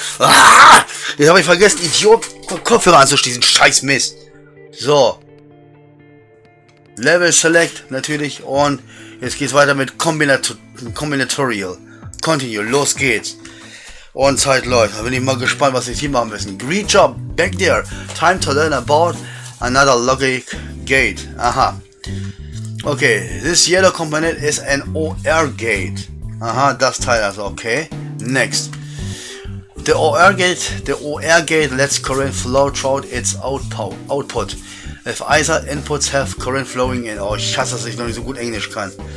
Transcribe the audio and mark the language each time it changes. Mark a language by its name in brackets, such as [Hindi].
[German] Ah, jetzt habe ich vergessen, Idiot, Kopfhörer anzuschließen. Scheiß Mist. So. Level Select natürlich und jetzt geht's weiter mit Combinatorial. Continue, los geht's. Und Zeit läuft. Da bin ich mal gespannt, was wir hier machen müssen. [English] Great job, back there. Time to learn about another logic gate. Aha. Okay, this yellow component is an OR gate. [German] Aha, das Teil also, okay. [English] Next. The OR gate lets current flow throughout its output. If either inputs have current flowing in. [German] Oh, ich hasse, dass ich noch nicht so gut Englisch kann.